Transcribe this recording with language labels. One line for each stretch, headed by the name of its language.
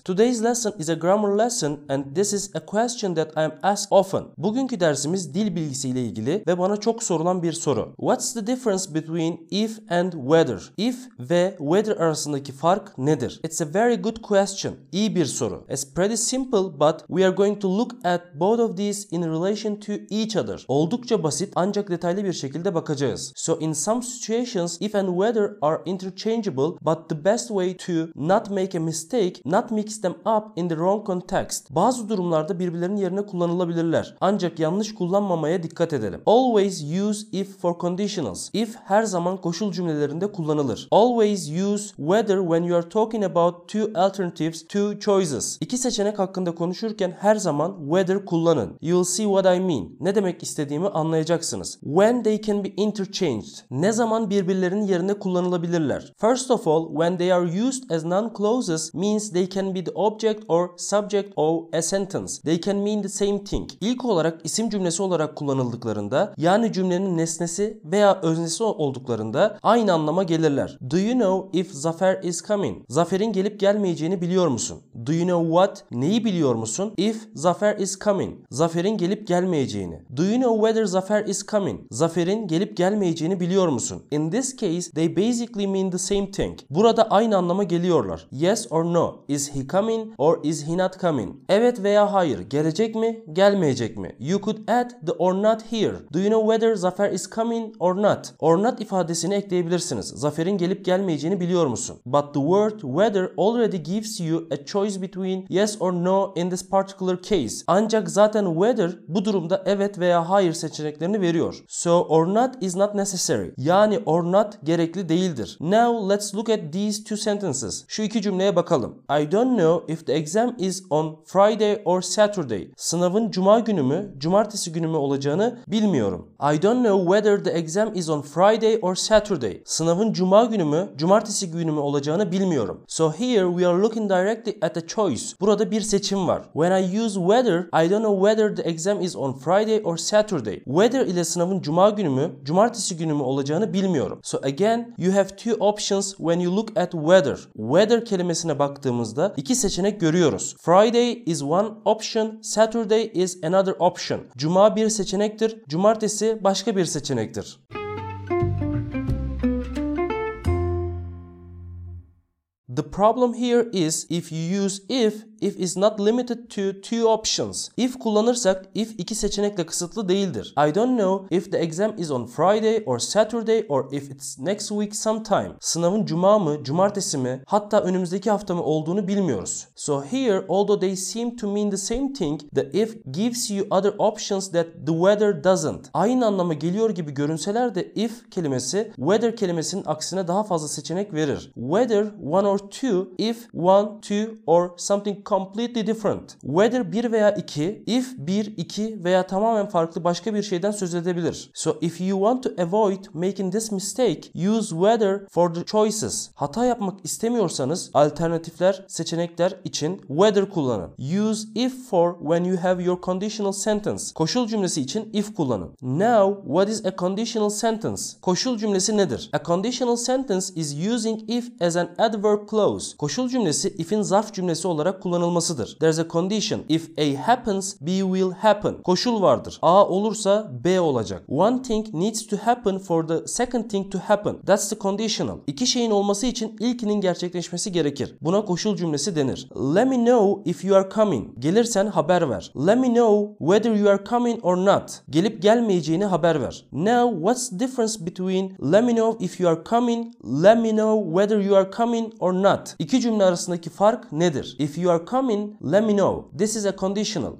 English: Today's lesson is a grammar lesson and this is a question that I am asked often.
Turkish: Bugünkü dersimiz dil bilgisiyle ilgili ve bana çok sorulan bir soru.
English: What's the difference between if and whether?
Turkish: If ve whether arasındaki fark nedir?
English: It's a very good question.
Turkish: İyi bir soru.
English: It's pretty simple but we are going to look at both of these in relation to each other.
Turkish: Oldukça basit ancak detaylı bir şekilde bakacağız.
English: So in some situations if and whether are interchangeable, but the best way to not make a mistake, not mix them up in the wrong context.
Turkish: Bazı durumlarda birbirlerinin yerine kullanılabilirler. Ancak yanlış kullanmamaya dikkat edelim.
English: Always use if for conditionals.
Turkish: If her zaman koşul cümlelerinde kullanılır.
English: Always use whether when you are talking about two alternatives, two choices.
Turkish: İki seçenek hakkında konuşurken her zaman whether kullanın.
English: You'll see what I mean.
Turkish: Ne demek istediğimi anlayacaksınız.
English: When they can be interchanged.
Turkish: Ne zaman birbirlerinin yerine kullanılabilirler.
English: First of all, when they are used as non-clauses means they can be the object or subject of a sentence. They can mean the same thing.
Turkish: İlk olarak isim cümlesi olarak kullanıldıklarında, yani cümlenin nesnesi veya öznesi olduklarında aynı anlama gelirler.
English: Do you know if Zafer is coming?
Turkish: Zafer'in gelip gelmeyeceğini biliyor musun?
English: Do you know what?
Turkish: Neyi biliyor musun?
English: If Zafer is coming.
Turkish: Zafer'in gelip gelmeyeceğini.
English: Do you know whether Zafer is coming?
Turkish: Zafer'in gelip gelmeyeceğini biliyor musun?
English: In this case, they basically mean the same thing.
Turkish: Burada aynı anlama geliyorlar.
English: Yes or no? Is he coming or is he not coming?
Turkish: Evet veya hayır. Gelecek mi? Gelmeyecek mi?
English: You could add the or not here. Do you know whether Zafer is coming or not?
Turkish: Or not ifadesini ekleyebilirsiniz. Zafer'in gelip gelmeyeceğini biliyor musun?
English: But the word whether already gives you a choice between yes or no in this particular case.
Turkish: Ancak zaten whether bu durumda evet veya hayır seçeneklerini veriyor.
English: So or not is not necessary.
Turkish: Yani or not gerekli değildir.
English: Now let's look at these two sentences.
Turkish: Şu iki cümleye bakalım.
English: I don't know if the exam is on Friday or Saturday.
Turkish: Sınavın cuma günü mü, cumartesi günü mü olacağını bilmiyorum.
English: I don't know whether the exam is on Friday or Saturday.
Turkish: Sınavın cuma günü mü, cumartesi günü mü olacağını bilmiyorum.
English: So here we are looking directly at a choice.
Turkish: Burada bir seçim var.
English: When I use whether, I don't know whether the exam is on Friday or Saturday.
Turkish: Whether ile sınavın cuma günü mü, cumartesi günü mü olacağını bilmiyorum.
English: So again, you have two options when you look at whether.
Turkish: Whether kelimesine baktığımızda iki seçenek görüyoruz.
English: Friday is one option, Saturday is another option.
Turkish: Cuma bir seçenektir, cumartesi başka bir seçenektir.
English: The problem here is if you use if, if is not limited to two options.
Turkish: If kullanırsak if iki seçenekle kısıtlı değildir.
English: I don't know if the exam is on Friday or Saturday or if it's next week sometime.
Turkish: Sınavın cuma mı, cumartesi mi, hatta önümüzdeki hafta mı olduğunu bilmiyoruz.
English: So here, although they seem to mean the same thing, the if gives you other options that the whether doesn't.
Turkish: Aynı anlama geliyor gibi görünseler de if kelimesi whether kelimesinin aksine daha fazla seçenek verir.
English: Whether one or two, if one, two or something completely different.
Turkish: Whether 1 veya 2, if 1, 2 veya tamamen farklı başka bir şeyden söz edebilir.
English: So if you want to avoid making this mistake, use whether for the choices.
Turkish: Hata yapmak istemiyorsanız alternatifler, seçenekler için whether kullanın.
English: Use if for when you have your conditional sentence.
Turkish: Koşul cümlesi için if kullanın.
English: Now, what is a conditional sentence?
Turkish: Koşul cümlesi nedir?
English: A conditional sentence is using if as an adverb clause.
Turkish: Koşul cümlesi if'in zarf cümlesi olarak kullanılmasıdır.
English: There's a condition. If A happens, B will happen.
Turkish: Koşul vardır. A olursa B olacak.
English: One thing needs to happen for the second thing to happen. That's the conditional.
Turkish: İki şeyin olması için ilkinin gerçekleşmesi gerekir. Buna koşul cümlesi denir.
English: Let me know if you are coming.
Turkish: Gelirsen haber ver.
English: Let me know whether you are coming or not.
Turkish: Gelip gelmeyeceğini haber ver.
English: Now, what's the difference between let me know if you are coming, let me know whether you are coming or not?
Turkish: İki cümle arasındaki fark nedir?
English: If you are coming, let me know. This is a conditional.